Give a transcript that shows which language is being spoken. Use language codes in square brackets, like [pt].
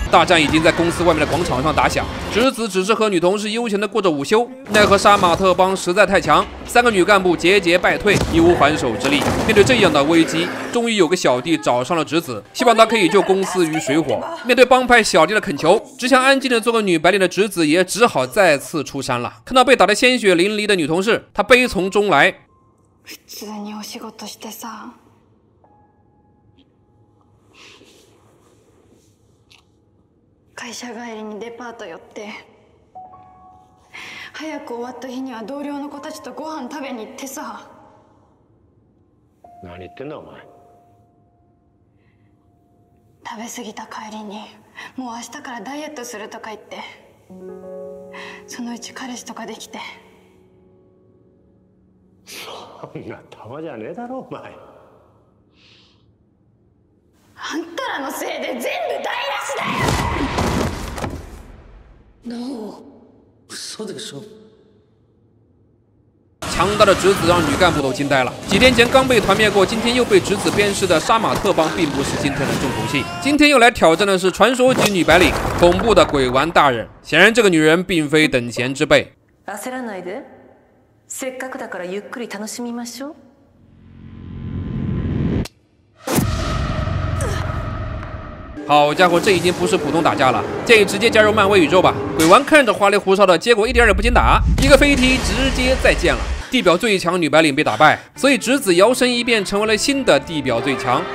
[zh] 大战已经在公司外面的广场上打响，侄子只是和女同事悠闲地过着午休，奈何杀马特帮实在太强，三个女干部节节败退，一无还手之力。面对这样的危机，终于有个小弟找上了侄子，希望他可以救公司于水火。面对帮派小弟的恳求，只想安静地做个女白领的侄子也只好再次出山了。看到被打得鲜血淋漓的女同事，他悲从中来。 [ja] 普通にお仕事してさ、会社帰りにデパート寄って、早く終わった日には同僚の子たちとご飯食べに行ってさ。何言ってんだお前。食べ過ぎた帰りに、もう明日からダイエットするとか言って、そのうち彼氏とかできて。そんな玉じゃねえだろお前。あんたらのせいで全部台無しだよ。ノウ、嘘でしょ。 [zh] 强大的侄子让女干部都惊呆了。几天前刚被团灭过，今天又被侄子鞭尸的杀马特帮并不是今天的重头戏，今天又来挑战的是传说级女白领恐怖的鬼丸大人。显然这个女人并非等闲之辈。 [ja] 焦らないで。せっかくだからゆっくり楽しみましょう。 [zh] 好家伙，这已经不是普通打架了，建议直接加入漫威宇宙吧。鬼王看着花里胡哨的，结果一点也不禁打，一个飞踢直接再见了。地表最强女白领被打败，所以直子摇身一变成为了新的地表最强。